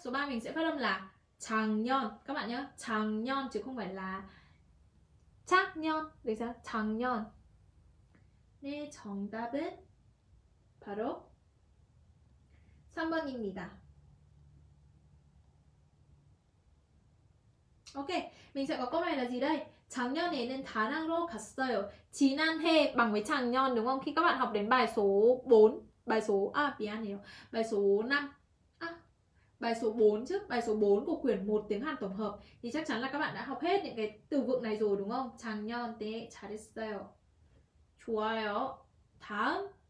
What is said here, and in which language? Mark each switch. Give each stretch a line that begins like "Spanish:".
Vietnamese: Số 3 mình sẽ phát âm là 작년. Các bạn nhớ, 작년 chứ không phải là 작년. Được chưa? 작년.
Korean: 네, 정답은 바로 3번입니다.
Vietnamese: Ok, mình sẽ có câu này là gì đây?
Korean: 작년에는 다낭으로 갔어요.
Vietnamese: 지난해 bằng với 작년 đúng không? Khi các bạn học đến bài số 4, bài số à piano, bài số 5. À, bài số 4 chứ, bài số 4 của quyển 1 tiếng Hàn tổng hợp thì chắc chắn là các bạn đã học hết những cái từ vựng này rồi đúng không?
Korean: 작년 때 잘했어요. 좋아요. 다음.